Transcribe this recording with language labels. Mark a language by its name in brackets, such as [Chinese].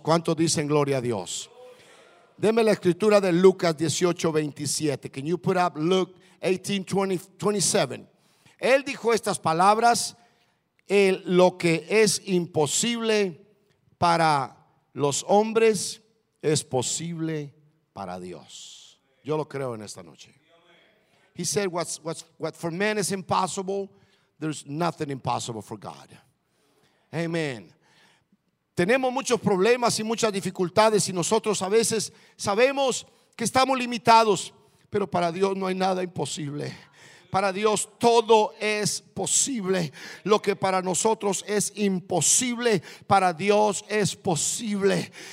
[Spanish] ¿Cuántos dicen gloria a Dios? Deme la escritura de Lucas 18:27. [English] Can you put up Luke 18:27? [Spanish] Él dijo estas palabras: lo que es imposible para los hombres es posible para Dios. Yo lo creo en esta noche. [English] He said, what for man is impossible, there's nothing impossible for God. Amen. [Spanish] Tenemos muchos problemas y muchas dificultades, y nosotros a veces sabemos que estamos limitados, pero para Dios no hay nada imposible. Para Dios todo es posible. Lo que para nosotros es imposible, para Dios es posible.